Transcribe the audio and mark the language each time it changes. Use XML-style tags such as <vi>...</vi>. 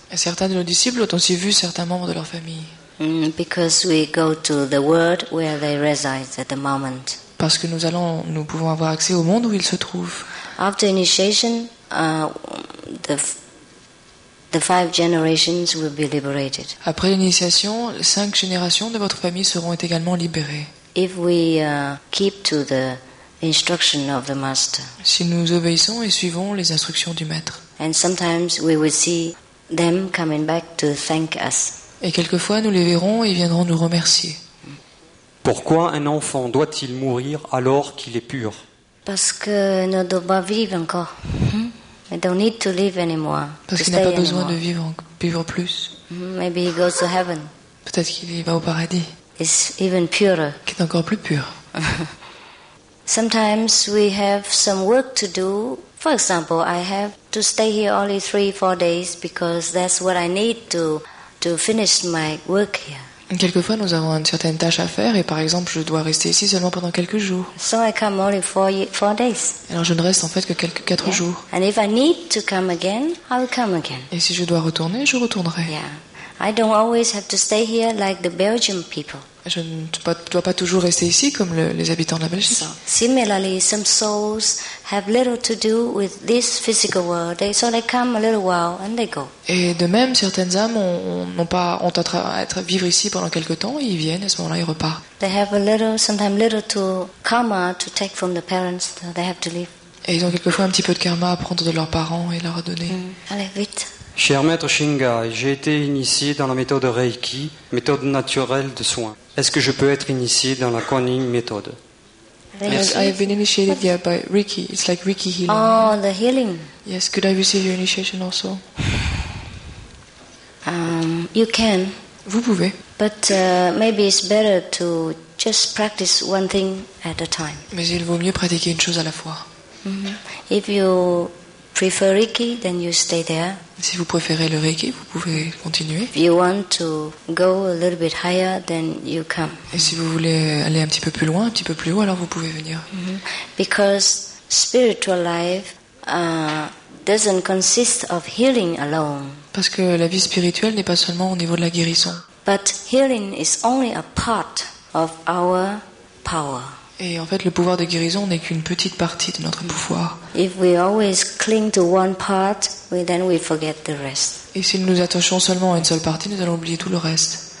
<fr>Et certains de nos disciples ont aussi vu certains membres de leur famille.</fr> <en>Because we go to the world where they reside at the moment.</en> <fr>Parce que nous pouvons avoir accès au monde où il se trouve.</fr> <en>After initiation, the five generations will be liberated.</en> <fr>Après l'initiation, les 5 générations de votre famille seront également libérées.</fr> <en>If we keep to the instruction of the master.</en> <fr>Si nous obéissons et suivons les instructions du maître.</fr> <en>And sometimes we will see them coming back to thank us.</en> <fr>Et quelquefois nous les verrons et viendront nous remercier. Pourquoi un enfant doit-il mourir alors qu'il est pur? Parce que ne doit pas vivre encore. Mm-hmm.</fr> <en>They don't need to live anymore.</en> <fr>Parce qu'il n'a pas besoin de vivre plus.</fr> <en>Maybe he goes to heaven.</en> <fr>Peut-être qu'il y va au paradis.</fr> <en>It's even purer.</en> <fr>Qui est encore plus pur.</fr> <en>Sometimes we have some work to do. For example, I have to stay here only 3-4 days because that's what I need to finish my work here.</en> <fr>Quelquefois, nous avons une certaine tâche à faire et par exemple, je dois rester ici seulement pendant quelques jours.</fr> <en>So I come only four days.</en> <fr>Alors je ne reste en fait que quatre yeah. jours.</fr> <en>And if I need to come again, I'll come again.</en> <fr>Et si je dois retourner, je retournerai. Yeah.</fr> <en>I don't always have to stay here like the Belgian people.</en> <fr>Je ne dois pas toujours rester ici comme les habitants de la Belgique.</fr> <en>Similarly, some souls have little to do with this physical world. So they come a little while and they go.</en> <fr>Et de même, certaines âmes ont à vivre ici pendant quelque temps et ils viennent, à ce moment-là, ils repartent.</fr> <en>They have a little, sometimes little to karma to take from the parents that they have to leave.</en> <fr>Et ils ont quelquefois un petit peu de karma à prendre de leurs parents et leur donner. Mm. Allez, vite. Cher maître Shingai, j'ai été initié dans la méthode Reiki, méthode naturelle de soins. Est-ce que je peux être initié dans la Kuan Yin méthode?</fr> <en>I have been initiated here by Reiki. It's like Reiki healing. Oh, the healing. Yes, could I receive your initiation also? You can.</en> <fr>Vous pouvez.</fr> <en>But maybe it's better to just practice one thing at a time.</en> <fr>Mais il vaut mieux pratiquer une chose à la fois. Mm-hmm.</fr> <en>If you prefer Reiki, then you stay there.</en> <fr>Si vous préférez le Reiki, vous pouvez continuer.</fr> <en>If you want to go a little bit higher, then you come.</en> <fr>Et si vous voulez aller un petit peu plus loin, un petit peu plus haut, alors vous pouvez venir. Mm-hmm.</fr> <en>Because spiritual life doesn't consist of healing alone.</en> <fr>Parce que la vie spirituelle n'est pas seulement au niveau de la guérison.</fr> <en>But healing is only a part of our power.</en> <fr>Et en fait, le pouvoir de guérison n'est qu'une petite partie de notre pouvoir.</fr> <en>If we always cling to one part, then we forget the rest.</en> <fr>Et si nous nous attachons seulement à une seule partie, nous allons oublier tout le reste.</fr>